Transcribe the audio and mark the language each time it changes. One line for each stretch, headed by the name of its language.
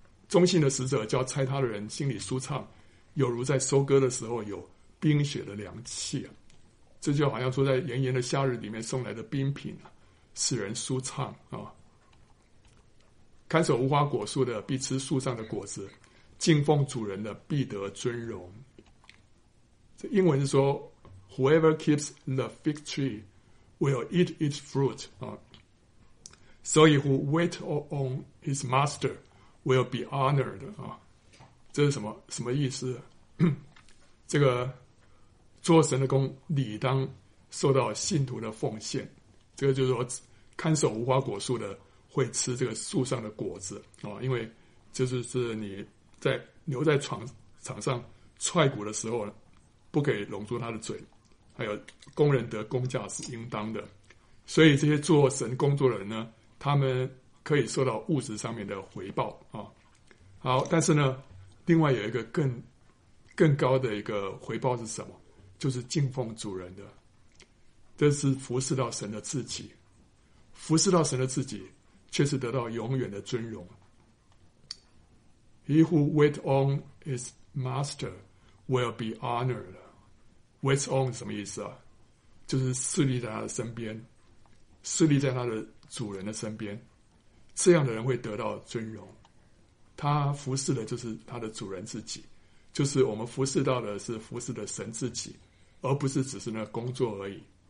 Chinese: 忠信的使者叫差他的人心里舒畅，有如在收割的时候有冰雪的凉气。这就好像说在炎炎的夏日里面送来的冰品使人舒畅。看守无花果树的必吃树上的果子，敬奉主人的必得尊荣。这英文是说
English: Whoever keeps the fig tree will eat its fruit.
Chinese: 所以
English: who wait on his master will be honored.
Chinese: 这是什么意思？这个做神的工理当受到信徒的奉献。这个就是说看守无花果树的会吃这个树上的果子，因为就是你在牛在场上踹骨的时候不可以拢住他的嘴，还有工人得工价是应当的，所以这些做神工作的人呢，他们可以受到物质上面的回报。好，但是呢另外有一个更高的一个回报是什么？就是敬奉主人的，这是服侍到神的自己，服侍到神的自己却是得到永远的尊荣。
English: He who wait on his master will be honored.
Chinese: Wait on 什么意思啊？就是侍立在他的身边，侍立在他的主人的身边，这样的人会得到尊荣。他服侍的就是他的主人自己，就是我们服侍到的是服侍的神自己，而不是只是那工作而已。